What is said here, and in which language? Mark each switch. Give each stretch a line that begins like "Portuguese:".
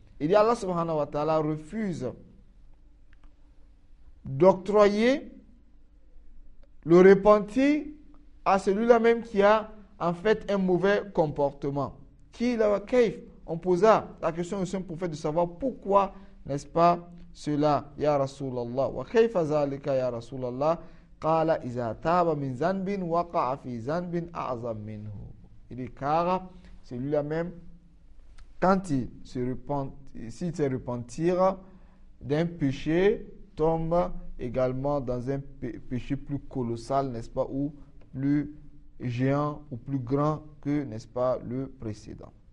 French: Il dit, Allah subhanahu wa ta'ala refuse d'octroyer le repentir à celui-là même qui a en fait un mauvais comportement. Qui l'a kaif? On posa la question au saint prophète de savoir pourquoi, n'est-ce pas, cela,
Arabic: ya Rasulallah. Wa kaif zalika ya Rasulallah? قال إذا تاب من ذنب وقع في ذنب أعظم منه.
French: Il dit, car c'est lui-là même, quand il se repent, s'il se repentira d'un péché, tombe également dans un péché plus colossal, n'est-ce pas, ou plus géant, ou plus grand que, n'est-ce pas, le précédent.